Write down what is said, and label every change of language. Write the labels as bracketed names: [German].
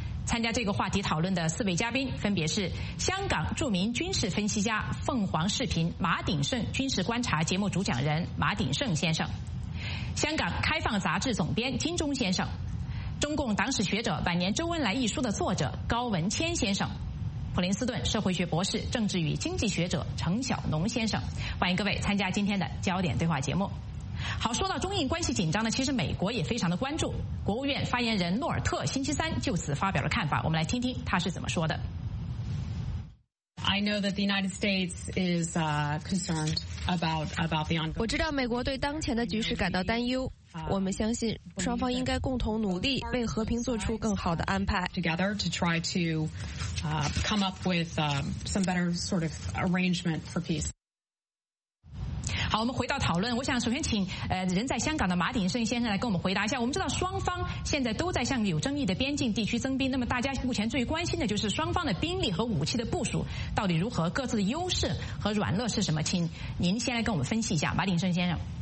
[Chinese] 参加这个话题讨论的四位嘉宾分别是香港著名军事分析家凤凰视频马鼎盛军事观察节目主讲人马鼎盛先生，香港开放杂志总编金钟先生，中共党史学者晚年周恩来一书的作者高文谦先生，普林斯顿社会学博士政治与经济学者程晓农先生。欢迎各位参加今天的焦点对话节目。好，说到中印关系紧张呢，其实美国也非常的关注。国务院发言人诺尔特星期三就此发表了看法，我们来听听他是怎么说的。 [English] I know that the United States is concerned about the ongoing. [Chinese] 我知道美国对当前的局势感到担忧。我们相信双方应该共同努力，为和平做出更好的安排。 [English] Together to try to come up with some better sort of arrangement for peace. [Chinese] 好，我们回到讨论。我想首先请人在香港的马鼎盛先生来跟我们回答一下。我们知道双方现在都在向有争议的边境地区增兵，那么大家目前最关心的就是双方的兵力和武器的部署到底如何，各自的优势和软弱是什么，请您先来跟我们分析一下，马鼎盛先生。